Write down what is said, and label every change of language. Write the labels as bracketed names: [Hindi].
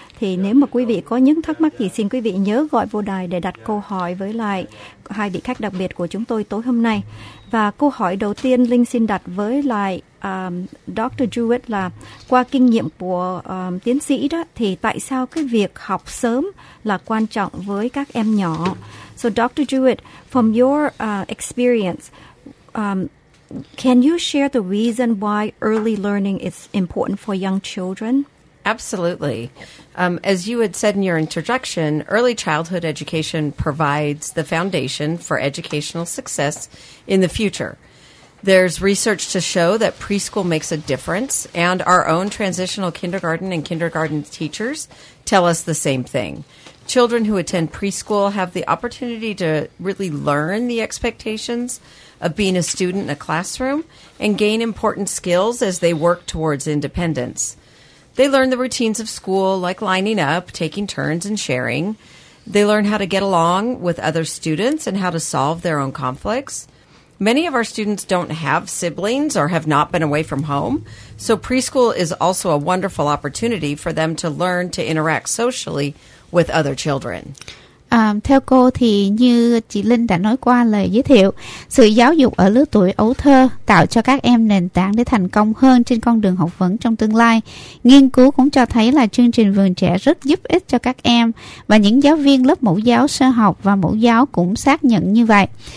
[Vietnamese] Thì nếu mà quý vị có những thắc mắc gì, xin quý vị nhớ gọi vô đài để đặt câu hỏi với lại hai vị khách đặc biệt của chúng tôi tối hôm nay. Và câu hỏi đầu tiên Linh xin đặt với lại Dr. Jewett là qua kinh nghiệm của tiến sĩ đó, thì tại sao cái việc học sớm là quan trọng với các em nhỏ? [English] So Dr. Jewett, from your experience, can you share the reason why early learning is important for young children? Absolutely. As you had said in your introduction, early childhood education provides the foundation for educational success in the future. There's research to show that preschool makes a difference, and our own transitional kindergarten and kindergarten teachers tell us the same thing. Children who attend preschool have the opportunity to really learn the expectations of being a student in a classroom and gain important skills as they work towards independence. They learn the routines of school, like lining up, taking turns, and sharing. They learn how to get along with other students and how to solve their own conflicts. Many of our students don't have siblings or have not been away from home, so preschool is also a wonderful opportunity for them to learn to interact socially with other children. [Vietnamese] Theo cô thì như chị Linh đã nói qua lời giới thiệu, sự giáo dục ở lứa tuổi ấu thơ tạo cho các em nền tảng để thành công hơn trên con đường học vấn trong tương lai. Nghiên cứu cũng cho thấy là chương trình vườn trẻ rất giúp ích cho các em, và những giáo viên lớp mẫu giáo sơ học và mẫu giáo cũng xác nhận như vậy.